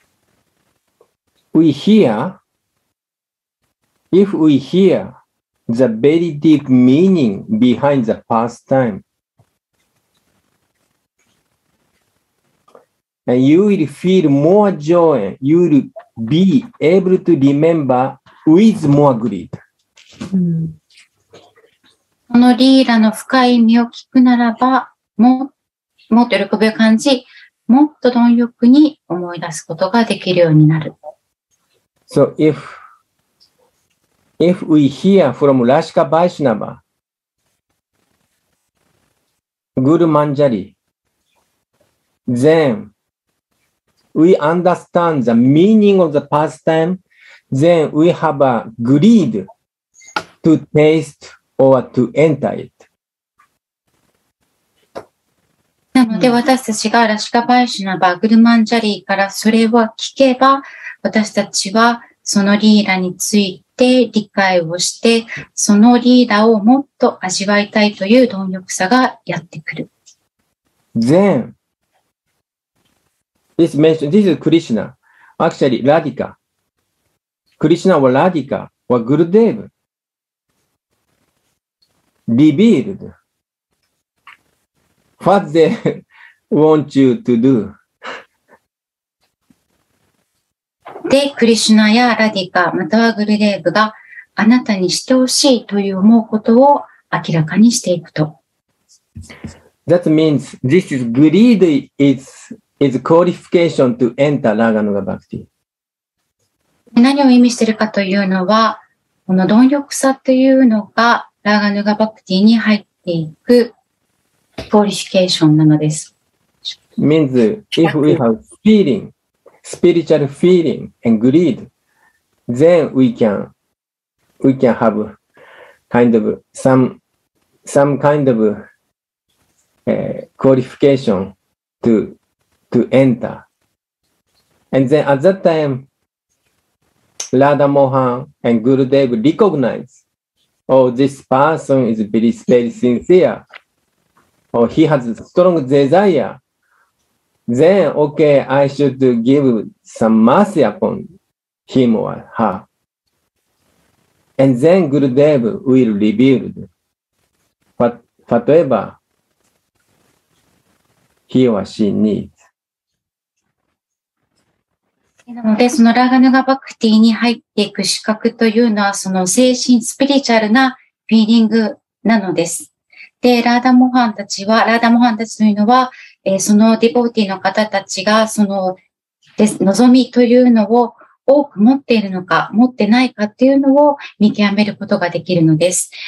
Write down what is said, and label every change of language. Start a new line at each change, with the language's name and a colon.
English: So, we hear, if we hear the very deep meaning behind the pastime, and you will feel more joy, you will be able to remember with more greed.
Japanese: このリーラの深い意味を聞くならば、もっと喜びを感じ、もっと貪欲に思い出すことができるようになる。
English: So, if we hear from Rashika Vaishnava, Guru Manjari, then we understand the meaning of the pastime, then we have a greed to tasteOr to enter it.
Japanese: なので私たちがラシカバイシュナバグルマンジャリーからそれを聞けば、私たちはそのリーラについて理解をして、そのリーラをもっと味わいたいという貪欲さがやってくる。
English: Then this mentioned, this is Krishna. Actually Radhika. Krishna or Radhika or GuruDevRevealed what they want you to do.
Japanese: で、クリシュナやラディカ、またはグルデーブがあなたにしてほしいという思うことを明らかにしていくと。
English: That means this is greed is qualification to enter Raganuga Bhakti.
Japanese: 何を意味しているかというのは、この貪欲さというのがラーガヌガバクティに入っていくポリフィケーションなのです。
English: Means if we have feeling, spiritual feeling and greed, then we can have kind of some kind of qualification to enter. And then at that time, Radha Mohan and Gurudev recognizeOh, this person is very, very sincere. Oh, he has a strong desire. Then, okay, I should give some mercy upon him or her. And then Gurudev will reveal whatever he or she needs.
Japanese: なので、そのラガヌガバクティに入っていく資格というのは、その精神、スピリチュアルなフィーリングなのです。で、ラーダモハンたちというのは、そのディボーティーの方たちが、その、望みというのを多く持っているのか、持ってないかっていうのを見極めることができるのです。